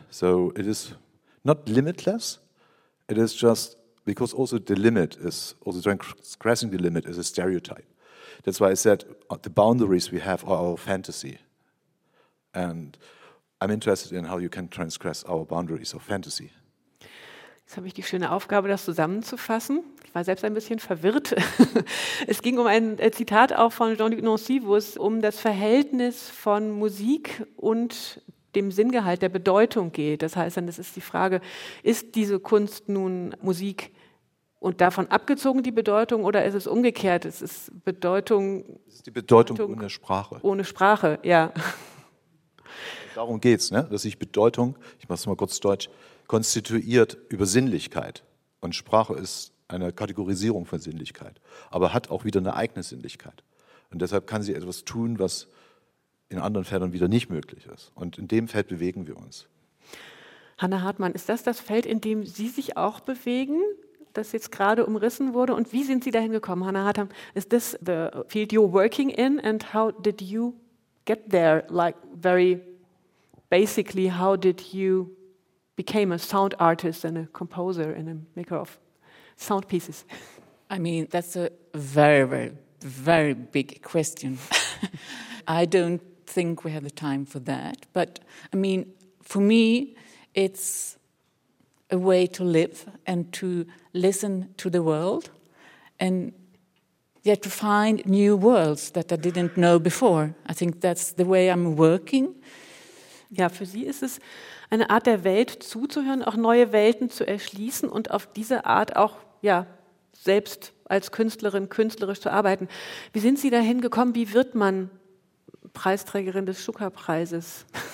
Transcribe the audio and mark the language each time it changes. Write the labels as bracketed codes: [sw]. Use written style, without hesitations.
[en] So it is not limitless. It is just because also the limit is, also transgressing the limit is a stereotype. That's why I said the boundaries we have are our fantasy. And I'm interested in how you can transgress our boundaries of fantasy. [de] Jetzt habe ich die schöne Aufgabe, das zusammenzufassen. Ich war selbst ein bisschen verwirrt. Es ging um ein Zitat auch von Jean-Luc Nancy, wo es um das Verhältnis von Musik und dem Sinngehalt, der Bedeutung geht. Das heißt, dann, das ist die Frage, ist diese Kunst nun Musik und davon abgezogen die Bedeutung, oder ist es umgekehrt? Es ist Bedeutung. Es ist die Bedeutung ohne Sprache. Ohne Sprache, ja. Darum geht es, ne? Dass sich Bedeutung, ich mache es mal kurz deutsch, konstituiert über Sinnlichkeit. Und Sprache ist eine Kategorisierung von Sinnlichkeit, aber hat auch wieder eine eigene Sinnlichkeit. Und deshalb kann sie etwas tun, was in anderen Feldern wieder nicht möglich ist. Und in dem Feld bewegen wir uns. Hanna Hartmann, ist das das Feld, in dem Sie sich auch bewegen, das jetzt gerade umrissen wurde? Und wie sind Sie dahin gekommen, Hanna Hartmann? [en] Is this the field you're working in, and how did you get there, like very... Basically, how did you become a sound artist and a composer and a maker of sound pieces? I mean, that's a very, very, very big question. I don't think we have the time for that. But I mean, for me, it's a way to live and to listen to the world and yet to find new worlds that I didn't know before. I think that's the way I'm working. [de] Ja, für Sie ist es eine Art, der Welt zuzuhören, auch neue Welten zu erschließen und auf diese Art auch, ja, selbst als Künstlerin künstlerisch zu arbeiten. Wie sind Sie dahin gekommen? Wie wird man Preisträgerin des Schuka-Preises?